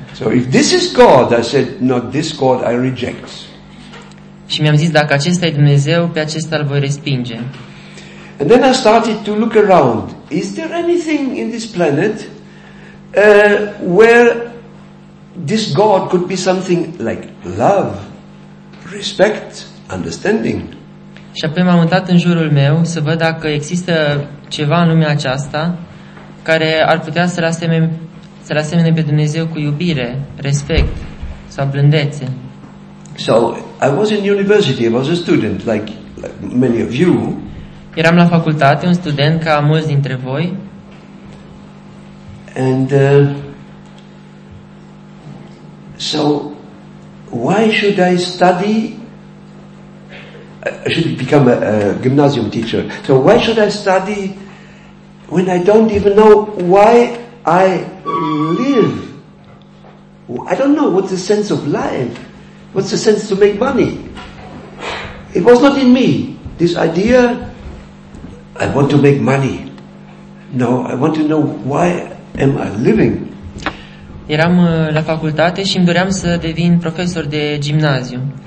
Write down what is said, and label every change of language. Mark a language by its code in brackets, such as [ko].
[en] So if this is God, I said, not this God, I reject. [ro] Și mi-am zis, dacă acesta e Dumnezeu, pe acesta îl voi respinge. [en] And then I started to look around. Is there anything in this planet where this God could be something like love, respect, understanding? [ro] Și apoi m-am uitat în jurul meu să văd dacă există ceva în lumea aceasta care ar putea să-l asemene pe Dumnezeu cu iubire, respect sau blândețe. [en] So, I was in university, I was a student, like many of you. [ro] Eram la facultate, un student ca mulți dintre voi. [en] And so why should I study? I should become a gymnasium teacher. So why should I study when I don't even know why I live? I don't know what's the sense of life. What's the sense to make money? It was not in me, this idea. I want to make money. No, I want to know why am I living? [ro] Eram la facultate și îmi doream să devin profesor de gimnaziu.